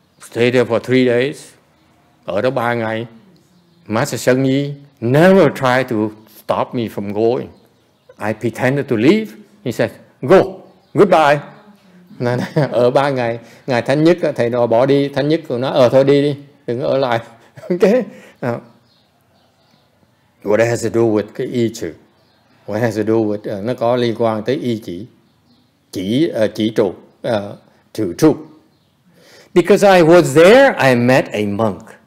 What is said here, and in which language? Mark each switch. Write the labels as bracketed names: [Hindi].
[English] Stayed there for 3 days. [Vietnamese] Ở đó 3 ngày. [English] Master Sheng Yi never tried to stop me from going. I pretended to leave. He said, go. Goodbye. [Vietnamese] Ở 3 ngày. Ngài Thánh Nhất, thầy đò bỏ đi. Thánh Nhất nói, thôi đi đi. Đừng ở lại. Okay. [English] What has to do with cái y chữ? What has to do with [Vietnamese] nó có liên quan tới y chỉ, chỉ trụ, trụ trụ. [English] Because I was there, I met a monk.